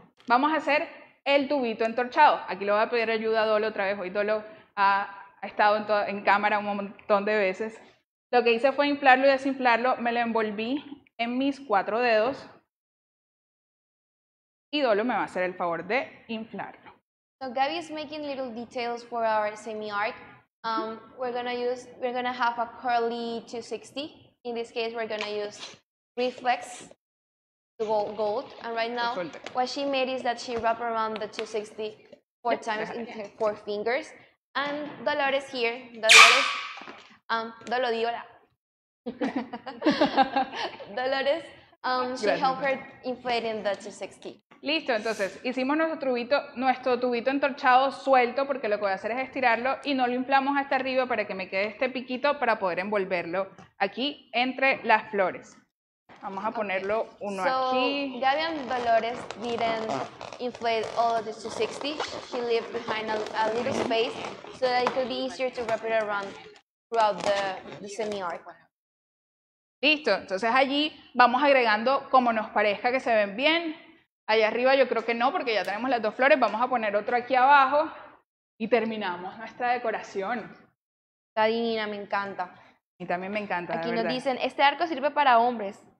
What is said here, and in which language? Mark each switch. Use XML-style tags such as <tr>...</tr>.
<es>Vamos a hacer el tubito entorchado. Aquí lo voy a pedir ayuda a Dolo otra vez. Hoy Dolo ha estado en cámara un montón de veces. Lo que hice fue inflarlo y desinflarlo. Me lo envolví en mis cuatro dedos. Y Dolo me va a hacer el favor de inflarlo.</es> <en>So Gabby is making little details for our semi-arc. We're gonna have a curly 260. In this case, we're gonna use reflex to go gold. And right now, what she made is that she wrapped around the 260 four times in her four fingers. And Dolores here, Dolores, Dolo Diola. Dolores, she Gracias. Helped her inflate in the 260.</en> <es>Listo, entonces, hicimos nuestro tubito entorchado suelto, porque lo que voy a hacer es estirarlo y no lo inflamos hasta arriba para que me quede este piquito para poder envolverlo aquí entre las flores. Vamos a ponerlo uno</es> <en>so,</en> <es>aquí.</es> <en>Gabby and Dolores didn't inflate all of the 260. She left behind a little space so that it could be easier to wrap it around throughout the semi-arc.</en> <es>Listo. Entonces allí vamos agregando como nos parezca que se ven bien. Allá arriba yo creo que no porque ya tenemos las dos flores. Vamos a poner otro aquí abajo y terminamos nuestra decoración. Está divina, me encanta. Y también me encanta, aquí nos verdad. Dicen, este arco sirve para hombres.</es>